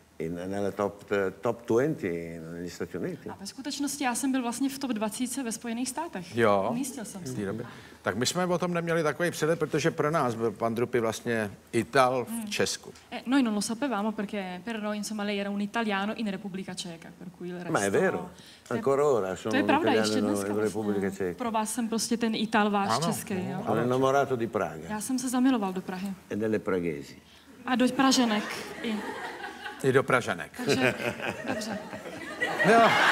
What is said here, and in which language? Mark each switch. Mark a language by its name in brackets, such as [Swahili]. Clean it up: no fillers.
[Italian] nella top 20 negli Stati Uniti. [Czech] A ve skutečnosti já jsem byl vlastně v top 20 ve Spojených státech. Jo. Umístil jsem se. Tak my jsme o tom neměli takový přehled, protože pro nás byl pan Drupy vlastně Ital v Česku. [Italian] Noi non lo sapevamo perché per noi insomma lei era un italiano in Repubblica Ceca, per cui il resto. Ma è vero. Ancora ora sono un italiano in Repubblica Ceca. [Czech] Pro vás jsem prostě ten Ital váš český, jo. [Italian] Ale namorato di Praga. [Czech] Já jsem se zamiloval do Prahy. [Italian] E delle praghesi. [Czech] A do Praženek. I do Pražanek. Takže, dobře. No.